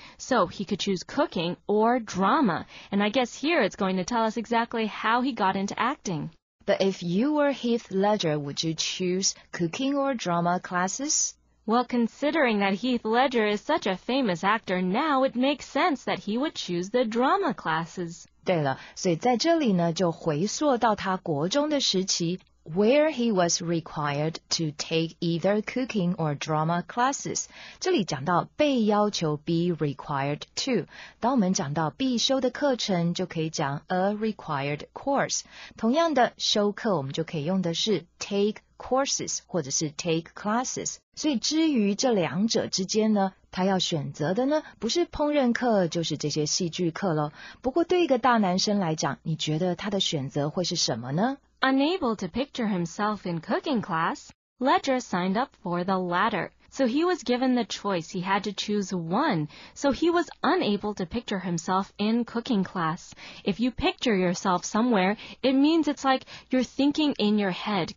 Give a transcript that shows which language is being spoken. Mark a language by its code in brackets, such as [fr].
[en] So he could choose cooking or drama. And I guess here it's going to tell us exactly how he got into acting. But if you were Heath Ledger, would you choose cooking or drama classes? Well, considering that Heath Ledger is such a famous actor now, it makes sense that he would choose the drama classes. [zh] 对了，所以在这里呢，就回溯到他国中的时期， [en] where he was required to take either cooking or drama classes. [zh] 这里讲到被要求 [en] be required to. [zh] 当我们讲到必修的课程就可以讲 [en] a required course. [zh] 同样的修课我们就可以用的是 [en] take courses [zh] 或者是 [en] take classes. [zh] 所以至于这两者之间呢他要选择的呢不是烹饪课就是这些戏剧课咯。不过对一个大男生来讲你觉得他的选择会是什么呢 [en] Unable to picture himself in cooking class, Ledger signed up for the latter. So he was given the choice. He had to choose one. So he was unable to picture himself in cooking class. If you picture yourself somewhere, it means it's like you're thinking in your head.